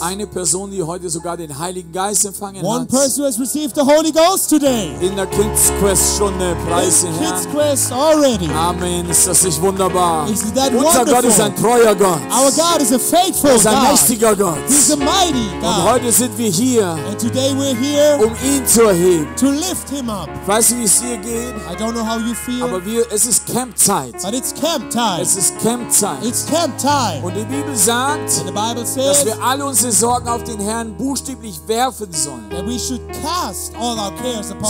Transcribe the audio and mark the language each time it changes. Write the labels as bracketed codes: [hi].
[de] Eine Person, die heute sogar den Heiligen Geist empfangen [en] one [de] hat. [en] One person has received the Holy Ghost today. [de] In der Kids Quest schon der Preis [en] in Kids Quest already. [de] Amen. Ist das nicht wunderbar? [en] Isn't that [de] unser [en] wonderful? [de] Gott ist ein treuer Gott. [en] Our God is a faithful God. [de] Er ist ein mächtiger Gott. [en] He's a mighty God. [de] Und heute sind wir hier. [en] And today we're here. [de] Um ihn zu erheben. [en] To lift him up. [de] Weißt du, wie es hier geht? [en] I don't know how you feel. [de] Aber wir, es ist Campzeit. [en] But it's camp time. [de] Es ist Campzeit. [en] It's camp time. [de] Und die Bibel sagt, [en] and the Bible says, [de] dass wir alle unsere Sorgen auf den Herrn buchstäblich werfen sollen. [en] That we should cast all our cares upon